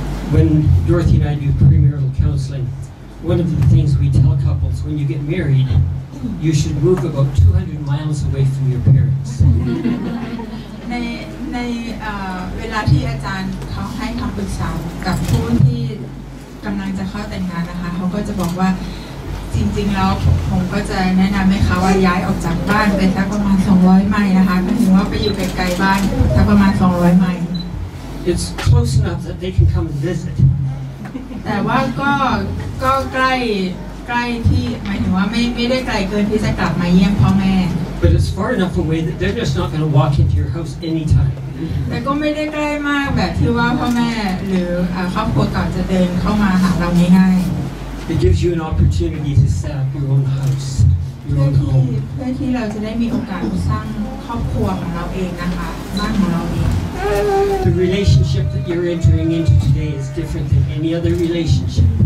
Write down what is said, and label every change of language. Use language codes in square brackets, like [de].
[en] When Dorothy and I do premarital counseling, one of the things we tell couples, when you get married, you should move about 200 miles away from your parents. [th] ในเวลาที่อาจารย์เขาให้คำปรึกษากับผู้ที่กำลังจะเข้าแต่งงานนะคะเขาก็จะบอกว่าจริงๆแล้วผมก็จะแนะนำให้เขาว่าย้ายออกจากบ้านไปสักประมาณ200ไมล์นะคะหมายถึงว่าไปอยู่ไกลๆบ้านสักประมาณ200ไมล์ [en] It's close enough that they can come and visit [th] แต่ว่าก็ใกล้ที่หมายถึงว่าไม่ได้ไกลเกินที่จะกลับมาเยี่ยมพ่อแม่ [en] But it's far enough away that they're just not going to walk into your house anytime [th] แต่ก็ไม่ได้ใกล้มากแบบที่ว่าพ่อแม่หรือครอบครัวก่อนจะเดินเข้ามาหาเราง่ายๆ [en] It gives you an opportunity to set up your own house, your own home. The relationship that you're entering into today is different than any other relationship.